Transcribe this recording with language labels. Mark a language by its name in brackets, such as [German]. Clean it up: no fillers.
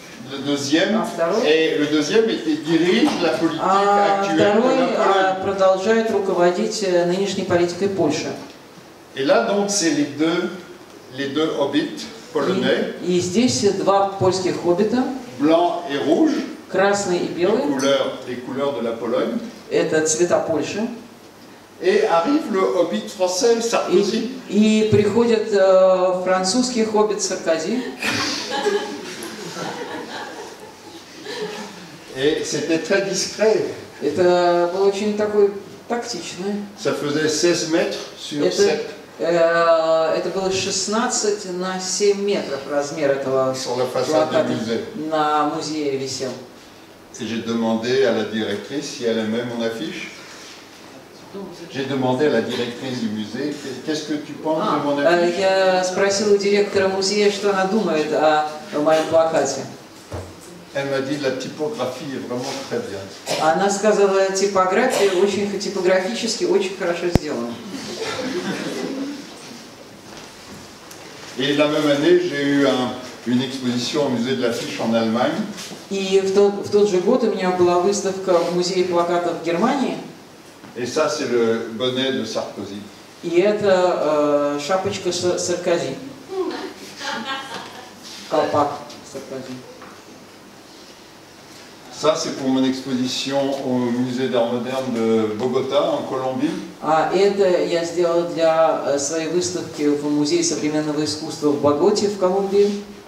[French] Le deuxième dirige la politique actuelle. [Russian] Второй продолжает руководить нынешней политикой Польши. [French] Et là donc c'est les deux hobbits polonais. [Russian] И здесь два польских хоббита. [French] Blanc et rouge. [Russian] Красный и белый. [French] Les couleurs de la Pologne. [Russian] Это цвета Польши. [French] Et arrive le hobbit français Sarkozy. [Russian] И приходит французский хоббит Саркози. [French] Et c'était très discret. [Russian] Это было очень такое тактичное. [French] Ça faisait 16 mètres sur 7. [Russian] Это было 16 на 7 метров размер этого плаката на музее висел. [French] Et j'ai demandé à la directrice si elle aimait mon affiche. J'ai demandé à la directrice du musée qu'est-ce que tu penses de mon affiche. [Russian] Я спросил у директора музея, что она думает о моем плакате. [French] Elle m'a dit la typographie est vraiment très bien. [Russian] Она сказала, типография очень типографически очень хорошо сделана. [French] Et la même année, j'ai eu une exposition au musée de l'affiche en Allemagne. [Russian] Et в тот же год у меня была выставка в музее плаката в Германии. [French] Et ça, c'est le bonnet de Sarkozy. [Russian] И это шапочка Саркози. Колпак Саркози. [French] Ça, c'est pour mon exposition au musée d'art moderne de Bogota, en Colombie. [Russian] А это я сделал для своей выставки в музее современного искусства в Боготе, в Колумбии.